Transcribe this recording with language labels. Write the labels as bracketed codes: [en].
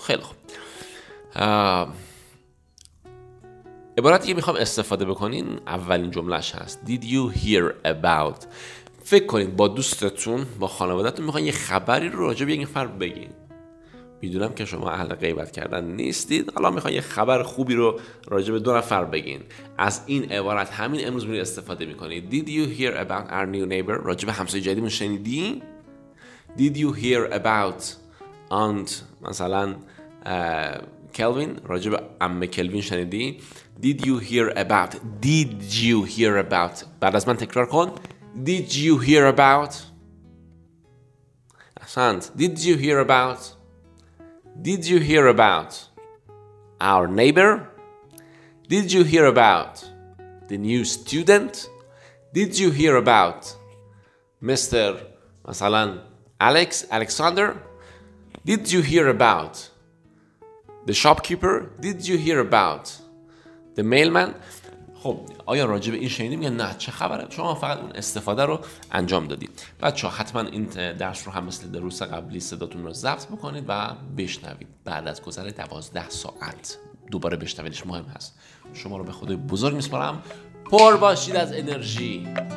[fa] خیلی خوب. عبارتی که میخوام استفاده بکنین اولین جملهش هست. [en] Did you hear about؟ [fa] فکر کنید با دوستتون، با خانوادتون میخوان یه خبری رو راجع به یه نفر بگین. میدونم که شما اهل غیبت کردن نیستید، حالا میخوان یه خبر خوبی رو راجع به دو نفر بگین. از این عبارت همین امروز میرید استفاده میکنید. [en] Did you hear about our new neighbor؟ [fa] راجع به همسایه جدیدمون شنیدی؟ [en] Did you hear about aunt مثلا Kelvin? [fa] راجع به عمه کلوین شنیدی؟ [en] Did you hear about؟ Did you hear about؟ [fa] بعد از من تکرار کن. [en] Did you hear about؟ احسنت. Did you hear about؟ Did you hear about our neighbor? Did you hear about the new student? Did you hear about Mr. مثلاً Alex, Alexander? Did you hear about the shopkeeper? Did you hear about the mailman? [fa] خب آیا راجع به این شنیدیم یا نه؟ چه خبره؟ شما فقط اون استفاده رو انجام دادید. بچه‌ها حتما این درس رو هم مثل دروس قبلی صداتون رو ضبط بکنید و بشنوید. بعد از گذر 12 ساعت دوباره بشنویدش مهم هست. شما رو به خدای بزرگ میسپارم. پر باشید از انرژی.